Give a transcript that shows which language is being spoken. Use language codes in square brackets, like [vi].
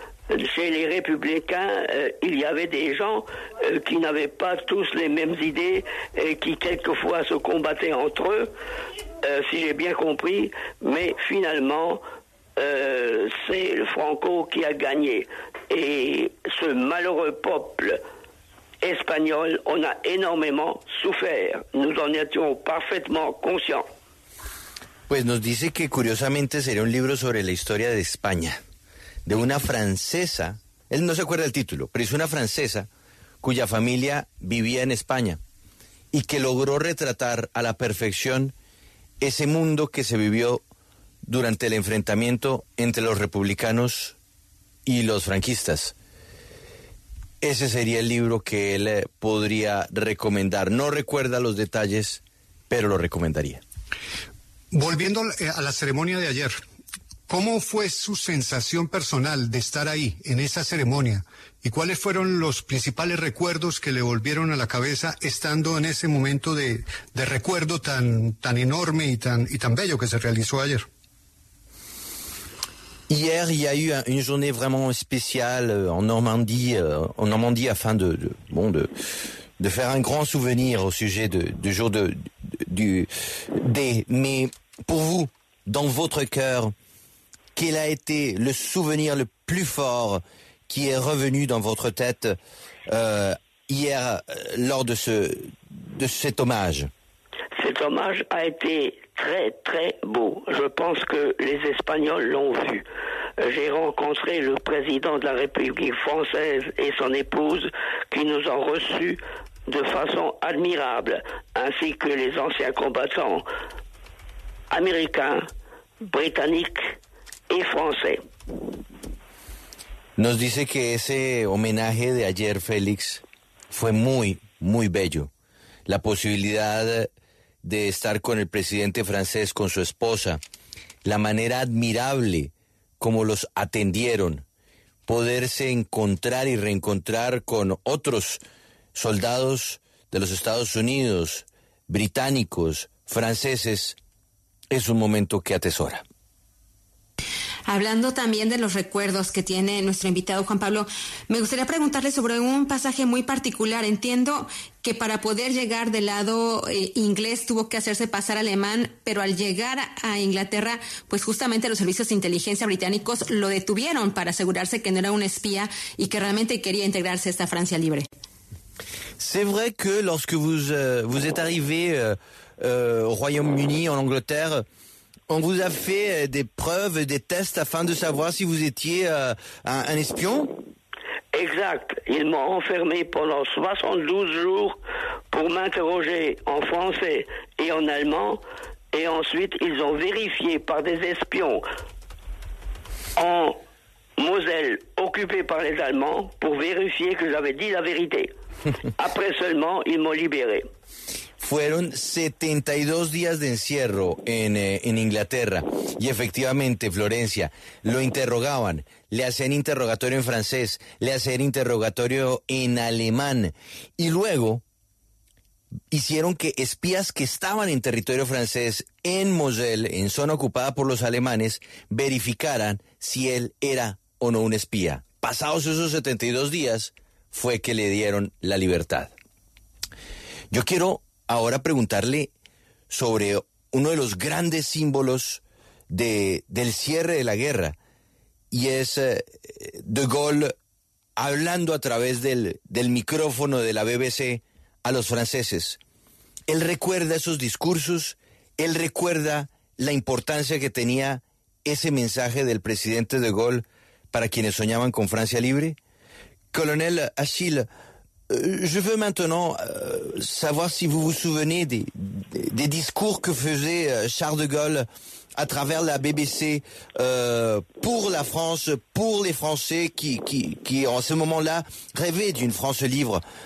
[fr] Chez les républicains, il y avait des gens qui n'avaient pas tous les mêmes idées et qui quelquefois se combattaient entre eux, si j'ai bien compris, mais finalement, c'est le Franco qui a gagné. Et ce malheureux peuple espagnol en a énormément souffert. Nous en étions parfaitement conscients. [es] Pues nos dice que curiosamente sería un libro sobre la historia de España, de una francesa, él no se acuerda el título, pero es una francesa cuya familia vivía en España y que logró retratar a la perfección ese mundo que se vivió durante el enfrentamiento entre los republicanos y los franquistas. Ese sería el libro que él podría recomendar. No recuerda los detalles, pero lo recomendaría. Volviendo a la ceremonia de ayer, ¿cómo fue su sensación personal de estar ahí, en esa ceremonia? ¿Y cuáles fueron los principales recuerdos que le volvieron a la cabeza estando en ese momento de recuerdo tan, tan enorme y tan bello que se realizó ayer? [fr] Hier, il y a eu une journée vraiment spéciale en Normandie afin de faire un grand souvenir au sujet du jour de de mais pour vous, dans votre cœur, quel a été le souvenir le plus fort qui est revenu dans votre tête hier lors de cet hommage? Cet hommage a été très très beau. Je pense que les Espagnols l'ont vu. J'ai rencontré le président de la République française et son épouse qui nous ont reçus de façon admirable, ainsi que les anciens combattants américains, britanniques et français. [es] Nos dice que ese homenaje de ayer, Félix, fue muy, muy bello. La posibilidad de estar con el presidente francés, con su esposa, la manera admirable como los atendieron, poderse encontrar y reencontrar con otros soldados de los Estados Unidos, británicos, franceses, es un momento que atesora. Hablando también de los recuerdos que tiene nuestro invitado Juan Pablo, me gustaría preguntarle sobre un pasaje muy particular. Entiendo que para poder llegar del lado inglés tuvo que hacerse pasar alemán, pero al llegar a Inglaterra, pues justamente los servicios de inteligencia británicos lo detuvieron para asegurarse que no era un espía y que realmente quería integrarse a esta Francia libre. [fr] C'est vrai que lorsque vous êtes arrivé au Royaume-Uni, en Angleterre, on vous a fait des preuves, des tests afin de savoir si vous étiez un espion? Exact. Ils m'ont enfermé pendant 72 jours pour m'interroger en français et en allemand. Et ensuite, ils ont vérifié par des espions en Moselle occupée par les Allemands pour vérifier que j'avais dit la vérité. Après seulement, ils m'ont libéré. [es] Fueron 72 días de encierro en Inglaterra y efectivamente, Florencia, lo interrogaban, le hacían interrogatorio en francés, le hacían interrogatorio en alemán y luego hicieron que espías que estaban en territorio francés en Moselle, en zona ocupada por los alemanes, verificaran si él era o no un espía. Pasados esos 72 días, fue que le dieron la libertad. Yo quiero ahora preguntarle sobre uno de los grandes símbolos del cierre de la guerra, y es De Gaulle hablando a través del micrófono de la BBC a los franceses. Él recuerda esos discursos, él recuerda la importancia que tenía ese mensaje del presidente De Gaulle para quienes soñaban con Francia libre. [fr] Colonel Achille, je veux maintenant savoir si vous vous souvenez des discours que faisait Charles de Gaulle à travers la BBC pour la France, pour les Français qui en ce moment-là rêvaient d'une France libre.